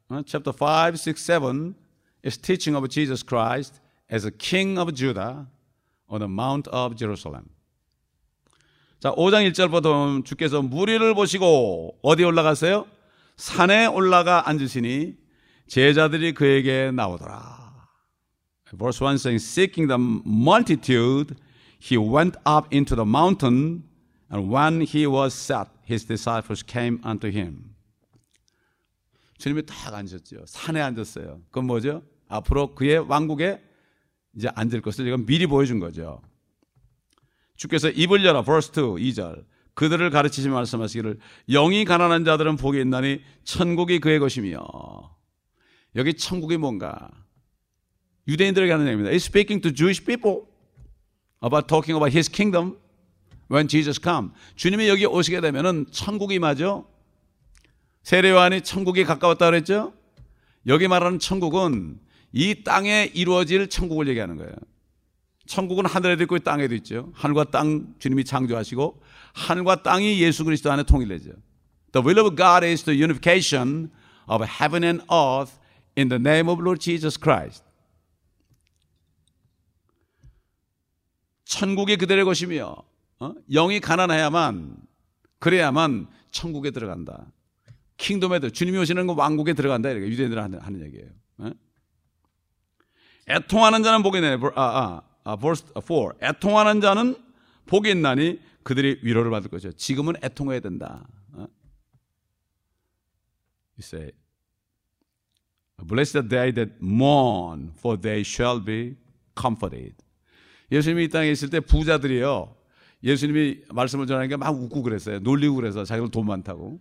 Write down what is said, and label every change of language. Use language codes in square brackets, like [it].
[en] Chapter 5, 6, 7 is teaching of Jesus Christ as a king of Judah on the Mount of Jerusalem. [ko] 자, 5장 1절부터 보면 주께서 무리를 보시고 어디 올라가세요? 산에 올라가 앉으시니 제자들이 그에게 나오더라. [en] Verse 1 saying, seeking the multitude, he went up into the mountain, and when he was set, his disciples came unto him. [ko] 주님이 딱 앉으셨죠. 산에 앉았어요. 그건 뭐죠? 앞으로 그의 왕국에 이제 앉을 것을 이건 미리 보여준 거죠. 주께서 입을 열어, [en] verse 2, [ko] 2절. 그들을 가르치시 말씀하시기를, 영이 가난한 자들은 복이 있나니, 천국이 그의 것이며. 여기 천국이 뭔가? 유대인들에게 하는 얘기입니다. [en] He's speaking to Jewish people about talking about his kingdom when Jesus come. [ko] 주님이 여기 오시게 되면은 천국이 맞죠? 세례 요한이 천국이 가까웠다고 그랬죠? 여기 말하는 천국은 이 땅에 이루어질 천국을 얘기하는 거예요. 천국은 하늘에도 있고 땅에도 있죠. 하늘과 땅 주님이 창조하시고 하늘과 땅이 예수 그리스도 안에 통일되죠. [en] The will of God is the unification of heaven and earth in the name of Lord Jesus Christ. [ko] 천국이 그들의 것이며 영이 가난해야만 그래야만 천국에 들어간다. 킹덤에도 주님이 오시는 건 왕국에 들어간다. 이렇게 유대인들 하는 얘기예요. 애통하는 자는 복이 있나니 [en] verse 4. [ko] 애통하는 자는 복이 있나니 그들이 위로를 받을 것이요. 지금은 애통해야 된다. [en] You say, blessed are they that mourn for they shall be comforted. [ko] 예수님이 이 땅에 있을 때 부자들이요, 예수님이 말씀을 전하니까 막 웃고 그랬어요. 놀리고 그래서 자기들 돈 많다고.